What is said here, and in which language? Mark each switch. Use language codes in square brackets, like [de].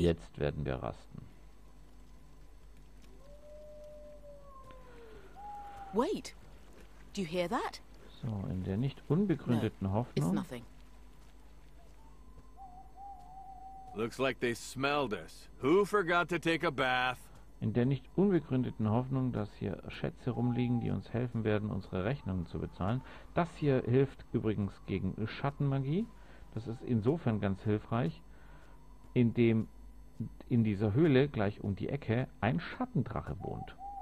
[de] Jetzt werden wir rasten. [en] Wait. Do you hear that? [de] So, in der nicht unbegründeten Hoffnung. [en] It's nothing. Looks like they smelled us. Who forgot to take a bath? [de] In der nicht unbegründeten Hoffnung, dass hier Schätze rumliegen, die uns helfen werden, unsere Rechnungen zu bezahlen. Das hier hilft übrigens gegen Schattenmagie. Das ist insofern ganz hilfreich, indem in dieser Höhle gleich um die Ecke ein Schattendrache wohnt.